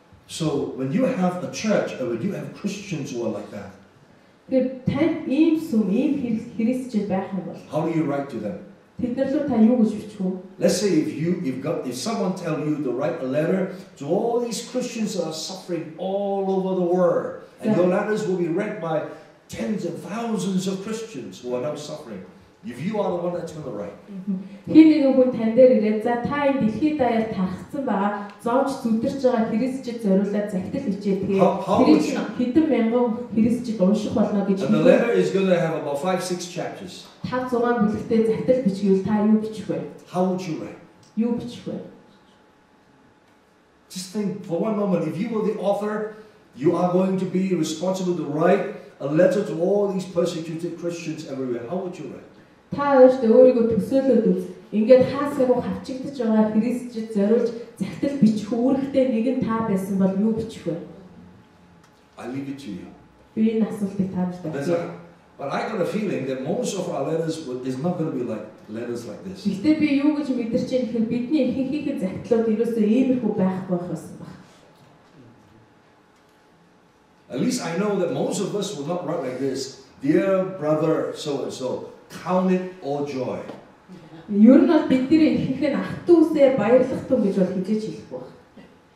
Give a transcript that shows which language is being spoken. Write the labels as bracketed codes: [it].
[en] So when you have a church or when you have Christians who are like that. [mn] Тэр танд ийм сүм, ийм христчид байх юм бол. [en] How do you write to them? [mn] Тэд нар руу та юу гэж бичих вэ? [en] Let's say if someone tell you to write a letter to all these Christians that are suffering all over the world, and your letters will be read by tens of thousands of Christians who are now suffering. If you are the one that's going to write. [mn] Хин нэг хүн тань дээр ирээд за та энэ дэлхийд даяар тархсан бага зовж зүдэрч байгаа христчид зориулаад захидал бичээ тэгээд хэдэн мянган христчид унших болно гэж хэлсэн. [en] The letter is going to have about 5-6 chapters. [mn] 5-6 бүлэгтэй захидал бичих юм та юу бичих вэ? [en] How would you write? [mn] Юу бичих вэ? [en] Just think for one moment, if you were the author, you are going to be responsible to write a letter to all these persecuted Christians everywhere. How would you write? [mn] Та өөртөө өөрийгөө төсөөлөөд үз. Ингээд хаасаагүй хавчигдчих жоогоор христчид зориулж захидал бичих үүрэгтэй нэг нь та байсан бол юу бичих вэ? Би энэ асуултыг таамаглаж байна. [en] But I got a feeling that most of our letters is not going to be like letters like this. [mn] Гэхдээ би юу гэж мэдэрч байгаа нь бидний ихэнхийнх нь захидлууд ерөөсөө иймэрхүү байхгүй байх бас байна. [en] At least I know that most of us will not write like this. Dear brother so and so. Count it all joy. [mn] Юу нэг бидний ихэнх нь ах дүүсээ баярлах тун гэж бол хэлж хэлэхгүй байна.